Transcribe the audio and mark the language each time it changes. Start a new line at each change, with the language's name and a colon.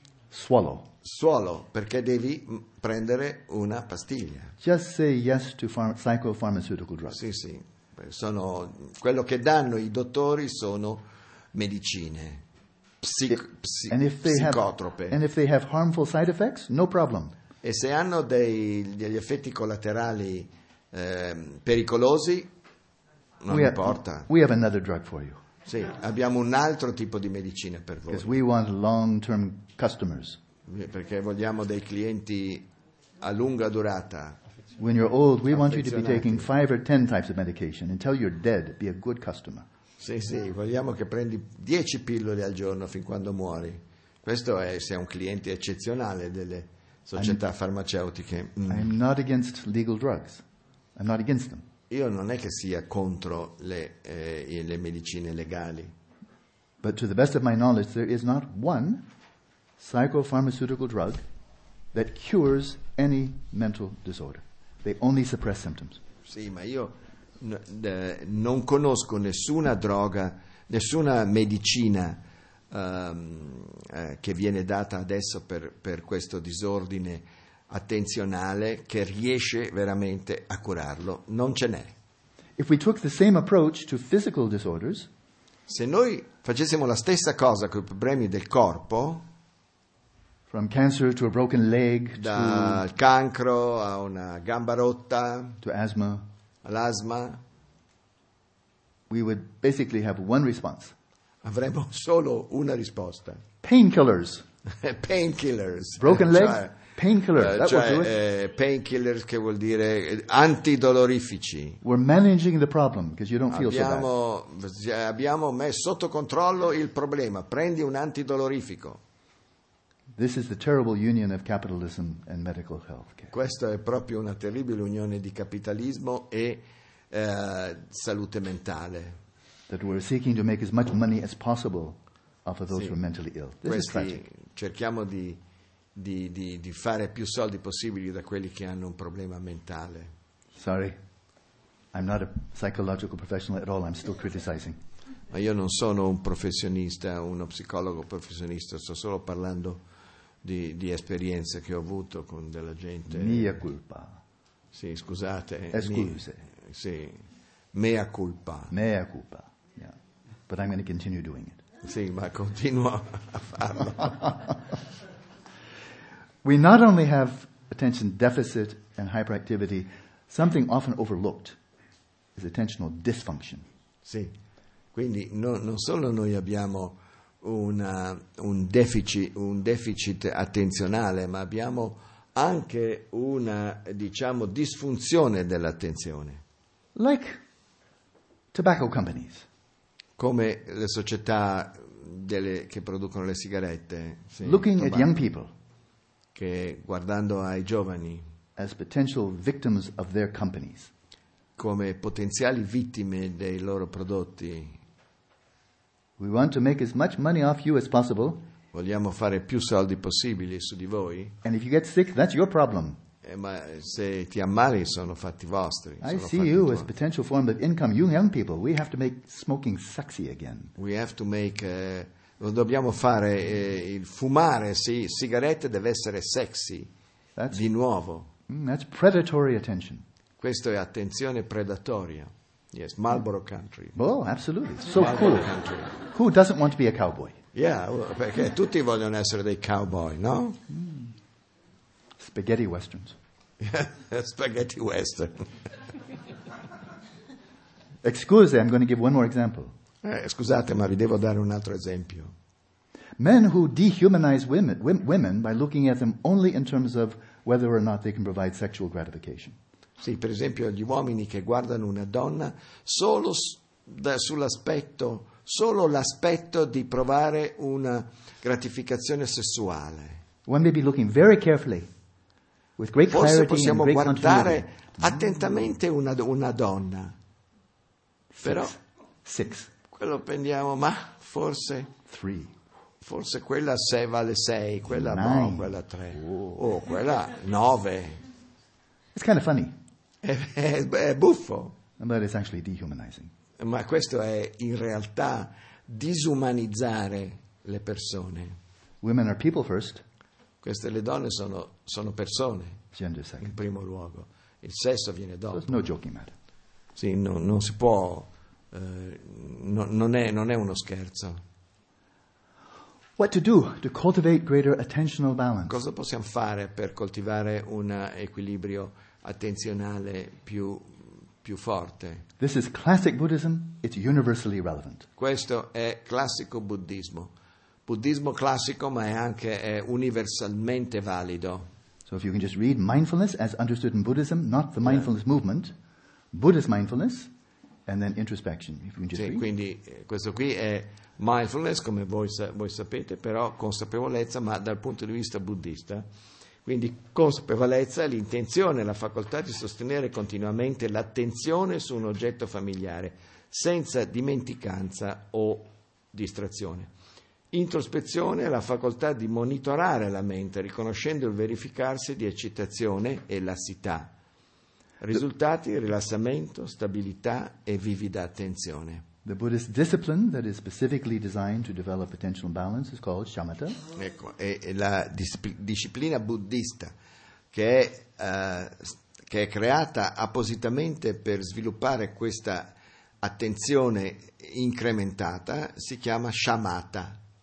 English: Swallow.
Italian: Swallow, perché devi prendere una pastiglia.
English: Just say yes to psychopharmaceutical drugs.
Italian: Sì, sì. Sono quello che danno i dottori sono medicine psicotrope.
English: And if they have harmful side effects, no problem.
Italian: E se hanno degli effetti collaterali pericolosi, non importa.
English: We have another drug for you.
Italian: Sì, abbiamo un altro tipo di medicina per voi.
English: Because we want long-term customers.
Italian: Perché vogliamo dei clienti a lunga durata.
English: When you're old, we want you to be taking 5 or 10 types of medication until you're dead. Be a good customer.
Italian: Sì, sì, vogliamo che prendi 10 pillole al giorno fin quando muori. Questo è se un cliente eccezionale delle società farmaceutiche.
English: I'm not against legal drugs. I'm not against them.
Italian: Io non è che sia contro le medicine legali.
English: But to the best of my knowledge, there is not one psychopharmaceutical drug that cures any mental disorder. They only suppress symptoms.
Italian: Sì, ma io non conosco nessuna droga, nessuna medicina che viene data adesso per questo disordine attenzionale che riesce veramente a curarlo. Non ce n'è.
English: If we took the same approach to physical disorders,
Italian: se noi facessimo la stessa cosa con i problemi del corpo,
English: from cancer to a broken leg,
Italian: dal cancro a una gamba rotta,
English: to asthma,
Italian: all'asma,
English: we would basically have one response.
Italian: Avremmo solo una risposta.
English: Painkillers. Painkillers. Broken legs. Painkillers.
Italian: Painkillers, che vuol dire antidolorifici.
English: We're managing the problem because you don't feel so bad.
Italian: Abbiamo messo sotto controllo il problema. Prendi un antidolorifico.
English: This is the terrible union of capitalism and medical health care.
Italian: Questa è proprio una terribile unione di capitalismo e salute mentale.
English: That we're seeking to make as much money as possible off of those who are mentally ill. This
Italian: questi
English: is tragic.
Italian: Cerchiamo di fare più soldi possibili da quelli che hanno un problema mentale.
English: Sorry, I'm not a psychological professional at all. I'm still criticizing.
Italian: Ma io non sono un professionista, uno psicologo professionista. Sto solo parlando di esperienze che ho avuto con della gente. Mia culpa. Sì, scusate. Escuse. Sì. Mea culpa.
English: Mea culpa. Yeah. But I'm going to continue doing it.
Italian: Sì, ma continua a farlo.
English: We not only have attention deficit and hyperactivity, something often overlooked is attentional dysfunction.
Italian: Sì. Quindi non solo noi abbiamo un deficit attenzionale, ma abbiamo anche una, diciamo, disfunzione dell'attenzione.
English: Like tobacco companies.
Italian: Come le società che producono le sigarette.
English: Sì, looking tobacco, at young people.
Italian: Che guardando ai giovani.
English: As potential victims of their companies.
Italian: Come potenziali vittime dei loro prodotti.
English: We want to make as much money off you as possible.
Italian: Vogliamo fare più soldi possibili su di voi.
English: And if you get sick, that's your problem.
Italian: Ma se ti ammali sono fatti vostri.
English: I see you as potential form of income. You young people, we have to make smoking sexy again. We have to make.
Italian: Dobbiamo fare il fumare, sì, sigarette deve essere sexy. Di nuovo.
English: That's predatory attention.
Italian: Questo è attenzione predatoria.
English: Yes, Marlboro Country. Oh, absolutely. So cool. Country. Who doesn't want to be a cowboy?
Italian: Yeah, perché tutti vogliono essere dei cowboy, no? Mm.
English: Spaghetti westerns. Spaghetti western. Excuse me, I'm going to give one more example.
Italian: Scusate, ma vi devo dare un altro esempio.
English: Men who dehumanize women by looking at them only in terms of whether or not they can provide sexual gratification.
Italian: Sì, per esempio gli uomini che guardano una donna solo sull'aspetto, solo l'aspetto di provare una gratificazione sessuale.
English: One may be looking very carefully, with great clarity.
Italian: Forse possiamo
English: and great
Italian: guardare attentamente una donna.
English: Six.
Italian: Però
English: six.
Italian: Quello prendiamo, ma forse
English: three.
Italian: Forse quella se vale sei, quella
English: nine.
Italian: No, quella tre. Oh, oh quella nove.
English: It's kind of funny.
Italian: È buffo.
English: But it's actually dehumanizing.
Italian: Ma questo è in realtà disumanizzare le persone.
English: Women are people first.
Italian: Queste le donne sono persone.
English: Gender second.
Italian: In primo luogo. Il sesso viene dopo.
English: So no joking matter.
Italian: Sì, no, non si può. Non è uno scherzo.
English: What to do to cultivate greater attentional balance?
Italian: Cosa possiamo fare per coltivare un equilibrio attenzionale più forte?
English: This is classic Buddhism. It's universally relevant.
Italian: Questo è classico buddismo. Buddismo classico, ma è anche universalmente valido.
English: So if you can just read mindfulness as understood in Buddhism, not the mindfulness movement, Buddhist mindfulness, and then introspection. If you can just
Italian: sì,
English: read.
Italian: Quindi questo qui è mindfulness, come voi sapete, però consapevolezza, ma dal punto di vista buddista. Quindi consapevolezza, l'intenzione, la facoltà di sostenere continuamente l'attenzione su un oggetto familiare, senza dimenticanza o distrazione. Introspezione, la facoltà di monitorare la mente, riconoscendo il verificarsi di eccitazione e lassità. Risultati, rilassamento, stabilità e vivida attenzione.
English: The Buddhist discipline that is specifically designed to develop attentional balance is called shamatha.
Italian: Ecco, è la disciplina buddista che è creata appositamente per sviluppare questa attenzione incrementata si chiama shamatha.